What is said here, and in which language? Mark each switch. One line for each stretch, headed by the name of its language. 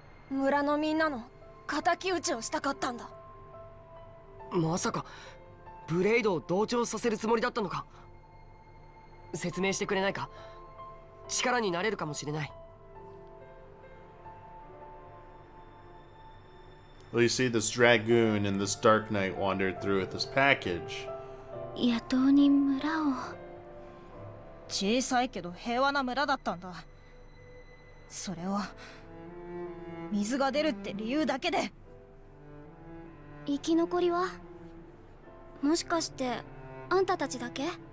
Japanese: 村のみんなの敵討ちをしたかったんだ。まさかブレイドを同調させるつもりだったのか。説明してくれないか。力になれるかもしれない。
English: Well, you see, this dragoon and this dark knight wandered through with this package.
Japanese: 野島に村を。小さいけど平和な村だったんだ。それを水が出るって理由だけで。生き残りは？もしかしてあんたたちだけ？